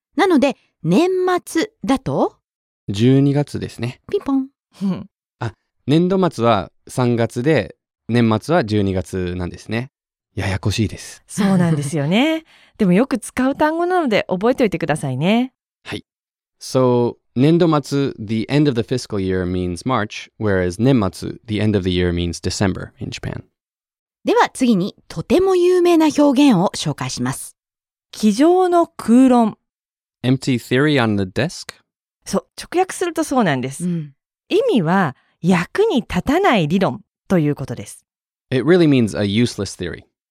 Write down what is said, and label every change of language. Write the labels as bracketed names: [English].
[Japanese] なので、年末だと 12月ですね。ピンポン。あ、年度末は3月で、年末は12月なんですね。ややこしいです。そうなんですよね。でもよく使う単語なので覚えておいてくださいね。はい。 [English] So, 年度末 the end of the fiscal year means March, whereas 年末 the end of the year means December in Japan. [Japanese] では次にとても有名な表現を紹介します。机上の空論。 [English] Empty theory on the desk? [Japanese] そう、直訳するとそうなんです。意味は役に立たない理論ということです。 [English] It really means a useless theory.